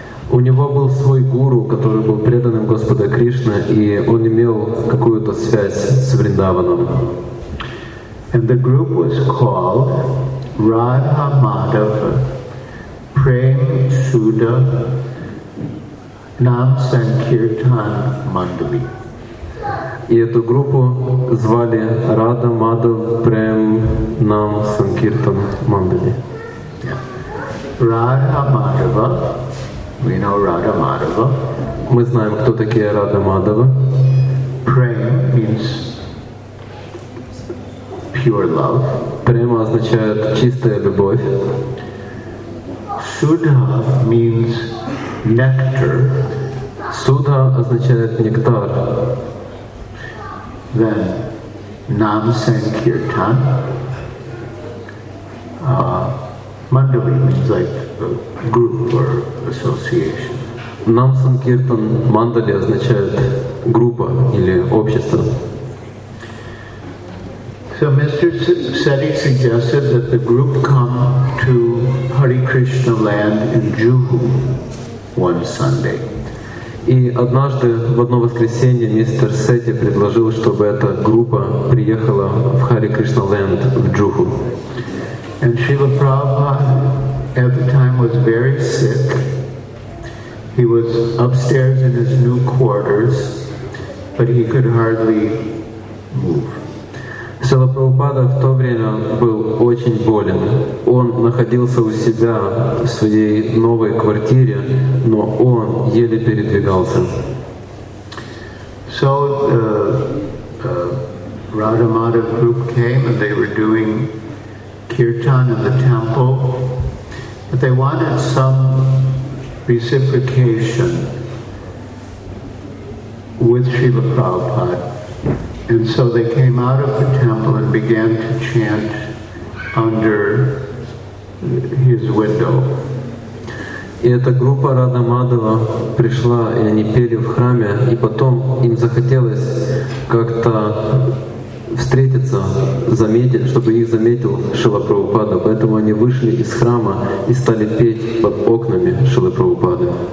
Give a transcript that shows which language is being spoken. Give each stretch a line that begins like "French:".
Russian: У него был свой гуру, который был преданным Господа Кришна, и он имел какую-то связь с Вриндаваном.
English: And the group was called Radha Madhava Prem Sudha Nam Sankirtan Mandali.
Russian: И эту группу звали Radha Madhava Prem Nam Sankirtan Mandali.
English: Radha Madhava. We know Radha Madhava.
Russian: Мы знаем, кто такие Radha Madhava.
English: Prem means pure love.
Russian: Према означает чистая любовь.
English: Sudha means nectar.
Russian: Sudha означает нектар.
English: Then Nam Sankirtan. Mandali means like group or association.
Russian: Нам санкиртан мандали означает группа или общество.
English: So Mr. Seti suggested that the group come to Hare Krishna land in Juhu one Sunday.
Russian: И однажды в одно воскресенье мистер Сети предложил, чтобы эта группа приехала в Hare Krishna land в Джуху.
English: And Srila Prabhupada at the time was very sick. He was upstairs in his new quarters, but he could hardly move.
Russian: Srila Prabhupada в то время был очень болен. Он находился у себя в своей новой квартире, но он еле передвигался.
English: So the Radha Madhava group came and they were doing kirtan in the temple. But they wanted some reciprocation with Srila Prabhupada. And so they came out of the temple and began to chant under his window.
Russian: И эта группа Radha Madhava пришла, и они пели в храме, и потом им захотелось как-то встретиться, заметить, чтобы их заметил Шрила Прабхупада. Поэтому они вышли из храма и стали петь под окнами Шрилы Прабхупады.